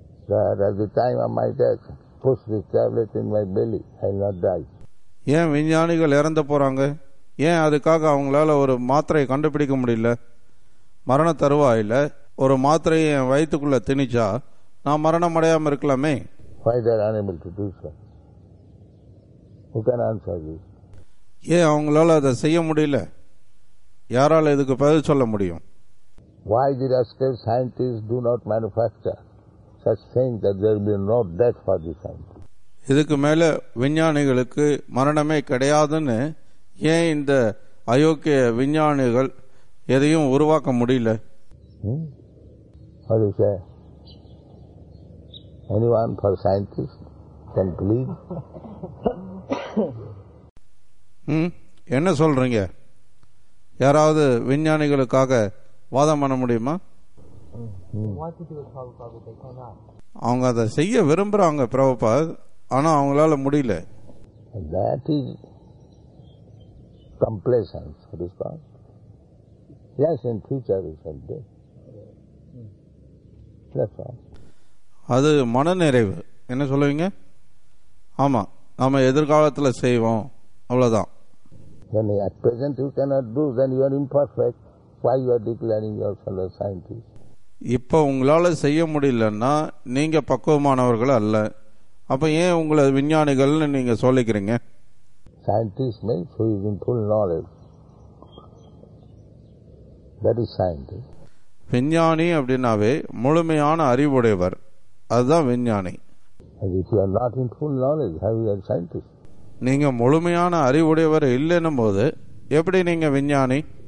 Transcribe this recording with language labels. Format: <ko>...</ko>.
<en>That at the time of my death, push this tablet in my belly, I will not die.</en> <ta>ஏன் விஞ்ஞானிகள் இறந்து போறாங்க? ஏன் அதுக்காக அவங்களால ஒரு மாத்திரையை கண்டுபிடிக்க முடியல? மரண தருவாயில ஒரு மாத்திரையை என் வயிற்றுக்குள்ள திணிச்சா நான் மரணம் அடையாம இருக்கலாமே.</ta> <en>Why they are unable to do so? Who can answer this?</en> <ta>ஏன் அவங்களால அதை செய்ய முடியல? யாரால இதுக்கு பதில் சொல்ல முடியும்?</ta> <en>Why the rascal scientists do not manufacture such things that there will be no death for the scientists?</en> <ta>இதுக்கு மேல விஞ்ஞானிகளுக்கு மரணமே கிடையாதுன்னு ஏன் இந்த அயோக்கிய விஞ்ஞானிகள் எதையும் உருவாக்க முடியல?</ta> <en>What do you say? Anyone for scientists can believe?</en> <ta>என்ன சொல்றீங்க? யாராவது விஞ்ஞானிகளுக்காக வாதம் பண்ண முடியுமா? அவங்க அதை செய்ய விரும்புறாங்க பிரபுபா, ஆனா அவங்களால முடியல.</ta> <en>That is complacence, response. Yes, in future we shall do. That's all.</en> <ta>அது மனநிறைவு. என்ன சொல்லுவீங்க? ஆமா, நாம எதிர்காலத்துல செய்வோம், அவ்வளவுதான்.</ta> <en>When at present you cannot do, then you are imperfect. Why you are declaring your fellow scientists?</en> <ta>இப்ப உங்களால செய்ய முடியலன்னா நீங்க பக்குவமானவர்கள் அல்ல. அப்ப ஏன் உங்களை விஞ்ஞானிகள்னு நீங்க சொல்லிக்கிறீங்க?</ta> <en>Scientist means who is in full knowledge. That is scientist.</en> <ta>விஞ்ஞானி அப்படின்னாவே முழுமையான அறிவுடையவர், அதுதான் விஞ்ஞானி.</ta> <en>And if you are not in full knowledge, how you are scientist?</en> <ta>நீங்க முழுமையான அறிவுடையவர் இல்லைன்னும் போது எப்படி நீங்க விஞ்ஞானி?</ta>